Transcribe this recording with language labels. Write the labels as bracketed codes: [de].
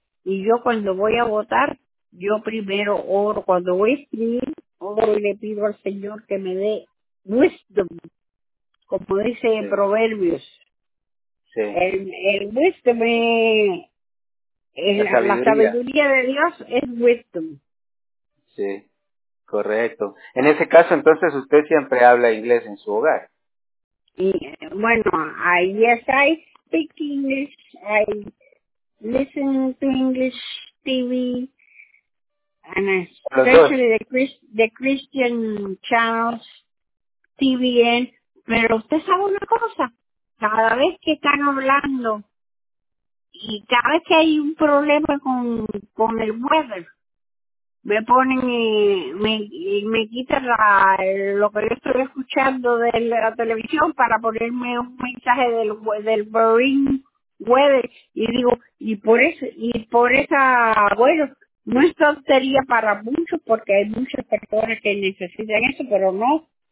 [es] Y yo cuando voy a votar, yo primero oro, cuando voy a escribir, oro y le pido al Señor que me dé wisdom, como dice en Proverbios. Sí. El wisdom es... La sabiduría de Dios es wisdom. Sí, correcto. En ese caso, entonces, usted siempre habla inglés en su hogar. Y, bueno, [en] I speak English, I listen to English TV, and especially the Christian channels, TVN. [es] Pero usted sabe una cosa, cada vez que están hablando y cada vez que hay un problema con el weather, me ponen me quitan lo que yo estoy escuchando de la televisión para ponerme un mensaje del Boring Weather y digo, y por esa, no es tontería para muchos porque hay muchas personas que necesitan eso, pero no.